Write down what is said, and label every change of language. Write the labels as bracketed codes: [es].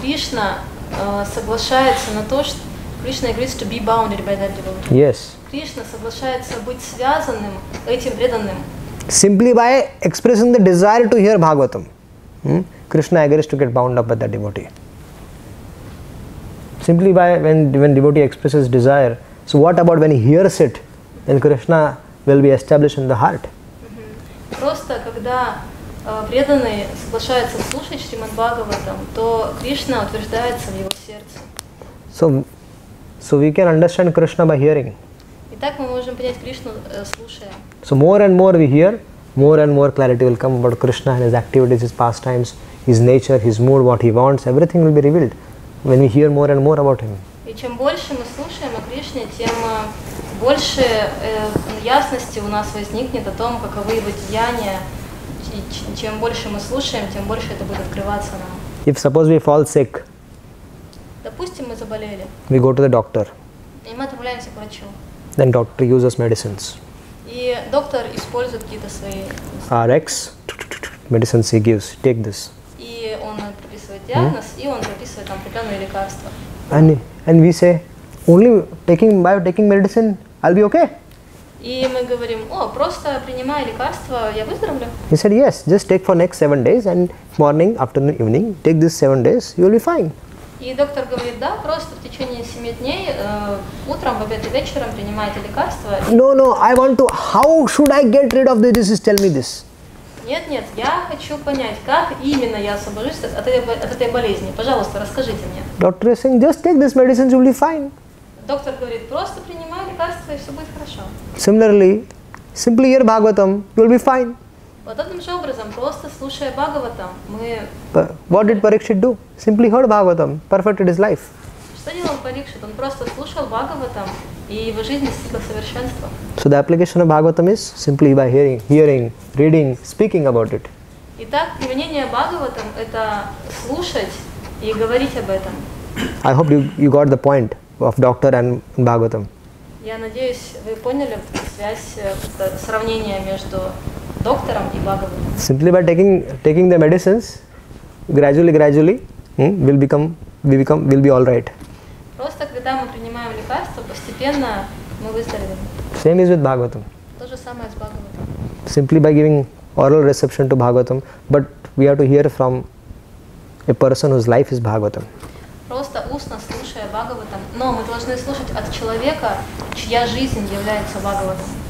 [en] Krishna agrees to be bounded by that devotee. Yes. [ru] Krishna соглашается быть связанным этим преданным. [en] Simply by expressing the desire to hear Bhagavatam, Krishna agrees to get bound up by that devotee. Simply by when devotee expresses desire, so what about when he hears it, then Krishna will be established in the heart. [ru] Просто когда преданный соглашается слушать Шримад Бхагаватам, то Кришна утверждается в его сердце. [en] So we can understand Krishna by hearing. [ru] Итак, мы можем понять Кришну слушая. [en] So more and more we hear, more and more clarity will come about Krishna and his activities, his pastimes, his nature, his mood, what he wants, everything will be revealed. When we hear more and more about him. [ru] И чем больше мы слушаем о Кришне, тем больше ясности у нас возникнет о том, каковы его деяния. И чем больше мы слушаем, тем больше это будет открываться нам. [en] If suppose we fall sick. [ru] Допустим, мы заболели. [en] We go to the doctor. [ru] И мы отправляемся к врачу. [en] Then doctor uses medicines. [ru] И доктор использует какие-то свои. [en] RX, medicines he gives. Take this. [ru] И он диагноз, и он записывает нам определенные лекарства. [en] And we say, only taking medicine, I'll be okay. [ru] И мы говорим, о, просто принимая лекарства, я выздоровлю. [en] He said, yes, just take for next 7 days, and morning, afternoon, evening, take this 7 days, you'll be fine. [ru] И доктор говорит, да, просто в течение 7 дней, утром, в обед и вечером принимайте лекарства. [en] No, I want to, how should I get rid of the disease, tell me this. [ru] Нет, я хочу понять, как именно я освобожусь от этой болезни. Пожалуйста, расскажите мне. [en] Doctor is saying, just take this medicine, you'll be fine. [ru] Доктор говорит, просто принимай лекарства, и все будет хорошо. [en] Similarly, simply hear Bhagavatam, you'll be fine. [ru] Подобным же образом, просто слушая Бхагаватам, мы... [en] What did Parikshit do? Simply heard Bhagavatam, perfected his life. [ru] Что делал Парикшит? Он просто слушал Бхагаватам, и его жизнь достигла совершенства. [en] So the application of Bhagavatam is simply by hearing, reading, speaking about it. [ru] Итак, применение Бхагаватам – это слушать и говорить об этом. [en] I hope you got the point of doctor and Bhagavatam. [ru] Я надеюсь, вы поняли связь, сравнение между доктором и Бхагаватам. [en] Simply by taking the medicines, gradually we'll be all right. [ru] Просто когда мы принимаем лекарства, постепенно мы выздоровеем. [en] Same is with Бхагаватам. [ru] То же самое с Бхагаватам. [en] Simply by giving oral reception to Бхагаватам, but we have to hear from a person whose life is Бхагаватам. [ru] Просто устно слушая Бхагаватам, но мы должны слушать от человека, чья жизнь является Бхагаватам.